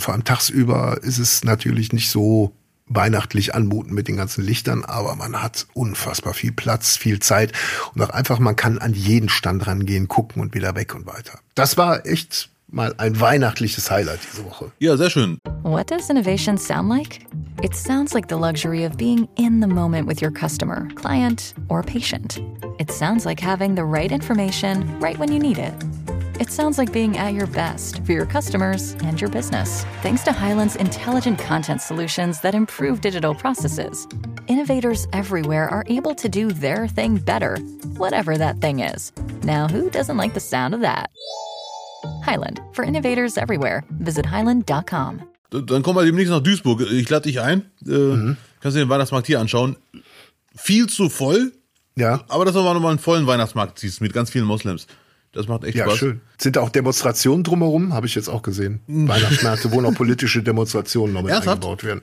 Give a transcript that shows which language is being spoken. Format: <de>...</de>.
<de>Vor allem tagsüber ist es natürlich nicht so weihnachtlich anmutend mit den ganzen Lichtern, aber man hat unfassbar viel Platz, viel Zeit und auch einfach, man kann an jeden Stand rangehen, gucken und wieder weg und weiter. Das war echt mal ein weihnachtliches Highlight diese Woche. Ja, sehr schön.</de> <en>What does innovation sound like? It sounds like the luxury of being in the moment with your customer, client or patient. It sounds like having the right information right when you need it. It sounds like being at your best for your customers and your business. Thanks to Hyland's intelligent content solutions that improve digital processes, innovators everywhere are able to do their thing better, whatever that thing is. Now, who doesn't like the sound of that? Hyland, for innovators everywhere. Visit Hyland.com.</en> <de>Dann kommen wir demnächst nach Duisburg. Ich lade dich ein. Kannst du den Weihnachtsmarkt hier anschauen. Viel zu voll. Ja. Aber dass du mal nochmal einen vollen Weihnachtsmarkt siehst mit ganz vielen Moslems. Das macht echt Spaß. Ja, schön. Sind da auch Demonstrationen drumherum? Habe ich jetzt auch gesehen. Weihnachtsmärkte, wo noch politische Demonstrationen noch mit eingebaut werden.</de>